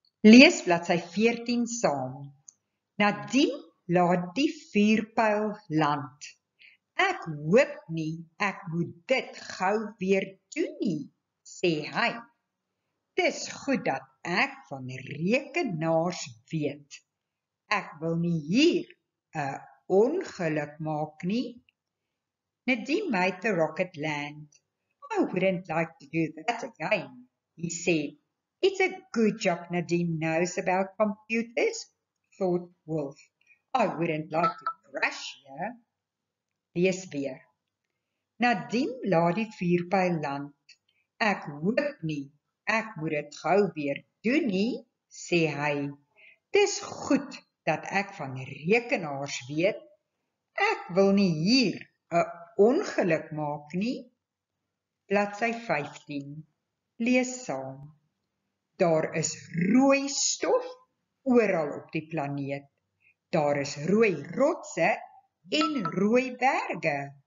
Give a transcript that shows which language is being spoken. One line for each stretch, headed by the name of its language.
Afrikaans: Lees bladsy 14 saam. Nadine laat die vuurpyl land. Ek hoop nie ek moet dit gou weer doen nie, sê hy. Dis goed dat ek van rekenaars weet. Ek wil nie hier 'n ongeluk maak nie.
English: Nadine made the rocket land. I wouldn't like to do that again, he said. It's a good job Nadine knows about computers, thought Wolf. I wouldn't like to crash here.
Afrikaans: Lees weer. Nadine laat die vuurpyl land. Ek hoop nie, ek moet dit gou weer doen nie, sê hy. Dis goed dat ek van rekenaars weet. Ek wil nie hier 'n ongeluk maak nie. Bladsy 15. Lees saam. Daar is rooi stof oral op die planeet. Daar is rooi rotse en rooi berge.